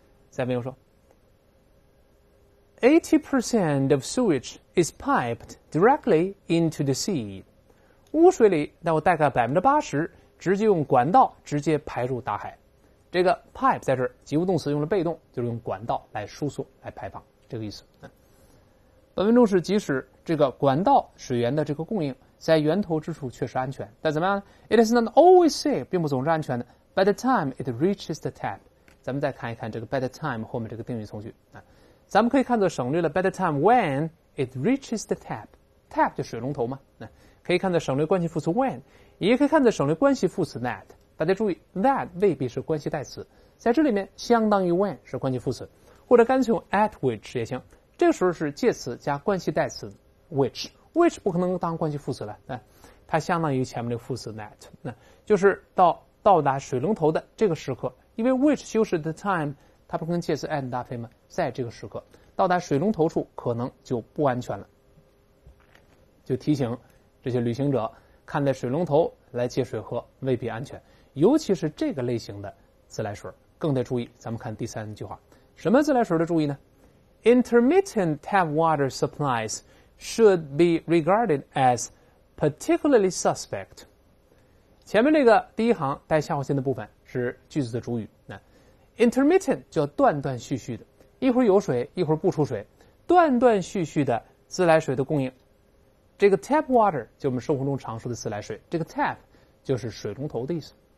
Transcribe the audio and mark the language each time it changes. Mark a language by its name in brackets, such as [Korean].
[Chinese] 再比如说 [English] 80% of sewage is piped directly into the sea， [Chinese] 污水里那我大概 80% 直接用管道直接排入大海。这个 pipe 在这儿及物动词用了被动，就是用管道来输送来排放，这个意思。本文中是即使这个管道水源的这个供应在源头之处确实安全，但怎么样呢？ [English] It is not always safe， [Chinese] 并不总是安全的。 [English] By the time it reaches the tap， [Chinese] 咱们再看一看这个 [English] by the time 后面这个定语从句，咱们可以看作省略了 by the time when it reaches the tap， [Chinese] tap 就水龙头嘛，可以看作省略关系副词 when， 也可以看作省略关系副词 that。大家注意 that 未必是关系代词，在这里面相当于 when 是关系副词，或者干脆用 at which 也行，这个时候是介词加关系代词 which， which 不可能当关系副词了，它相当于前面的副词 that， 就是到达水龙头的这个时刻，因为 which 修饰 the time， 它不跟介词 and 搭配吗？在这个时刻到达水龙头处可能就不安全了，就提醒这些旅行者看在水龙头来接水喝未必安全，尤其是这个类型的自来水更得注意。咱们看第三句话，什么自来水的注意呢？ [English] Intermittent tap water supplies should be regarded as particularly suspect。 [Chinese] 前面这个第一行带下划线的部分是句子的主语，那 Intermittent 叫断断续续的，一会儿有水一会儿不出水，断断续续的自来水的供应，这个 tap water 就我们生活中常说的自来水，这个 tap 就是水龙头的意思。